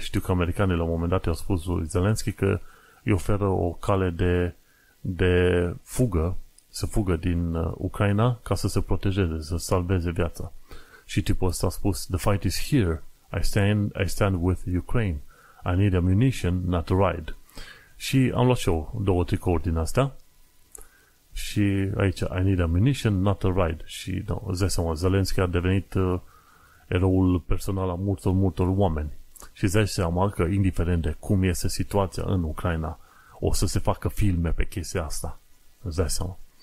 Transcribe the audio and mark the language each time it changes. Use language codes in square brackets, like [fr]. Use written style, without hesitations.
[ro] Știu că americanii la un moment dat i-au spus lui Zelensky că îi oferă o cale de fugă, să fugă din Ucraina ca să se protejeze, să salveze viața. Și tipul ăsta a spus, [en] the fight is here, I stand with Ukraine, I need ammunition, not a ride. [ro] Și am luat și eu două tricouri din astea și aici [en] I need ammunition, not a ride. [ro] Și no, îți dai seama, Zelensky a devenit eroul personal a multor oameni și îți dai seama că indiferent de cum este situația în Ucraina, o să se facă filme pe chestia asta, îți dai seama.